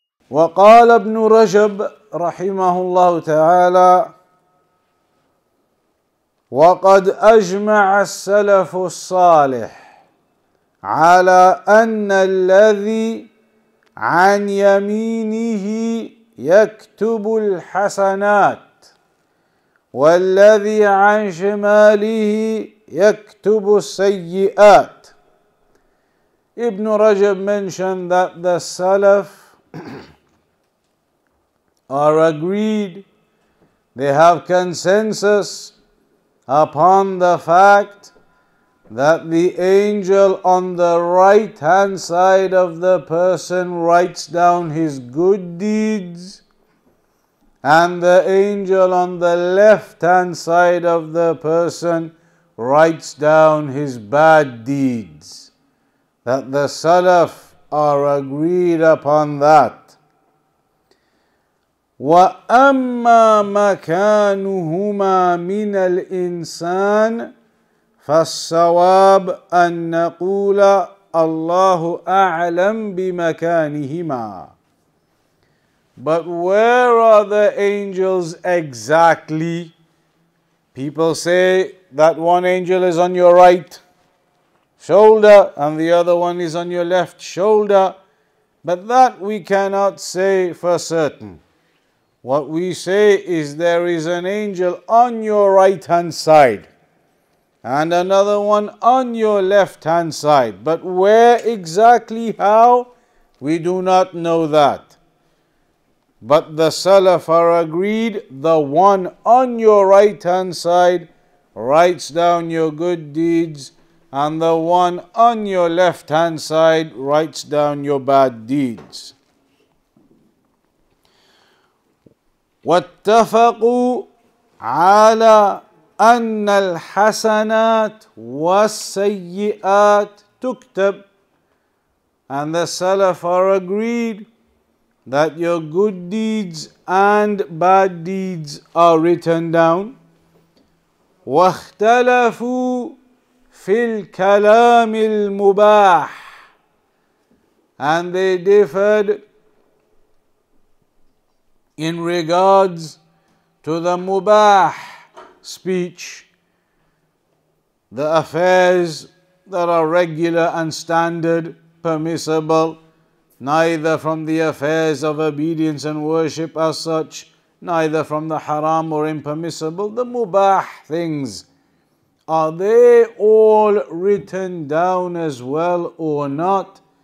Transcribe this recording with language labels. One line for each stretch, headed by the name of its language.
Arabic: وقال ابن رجب رحمه الله تعالى: وقد أجمع السلف الصالح على أن الذي عن يمينه يكتب الحسنات والذي عن شماله يكتب السيئات.
English: Ibn Rajab mentioned that the Salaf are agreed, they have consensus upon the fact that the angel on the right-hand side of the person writes down his good deeds, and the angel on the left-hand side of the person writes down his bad deeds. That the Salaf are agreed upon that.
Arabic: وَأَمَّا مَكَانُهُمَا مِنَ الْإِنسَانِ فالصواب أن نقول الله أعلم بمكانهما.
English: But where are the angels exactly? People say that one angel is on your right shoulder and the other one is on your left shoulder. But that we cannot say for certain. What we say is there is an angel on your right hand side and another one on your left-hand side. But where exactly, how? We do not know that. But the Salaf are agreed, the one on your right-hand side writes down your good deeds, and the one on your left-hand side writes down your bad deeds.
Arabic: وَاتَّفَقُوا عَلَىٰ أن الحسنات والسيئات تكتب.
English: And the Salaf are agreed that your good deeds and bad deeds are written down.
Arabic: واختلفوا في الكلام المباح.
English: And they differed in regards to the Mubaah speech, the affairs that are regular and standard, permissible, neither from the affairs of obedience and worship as such, neither from the haram or impermissible, the mubah things, are they all written down as well or not?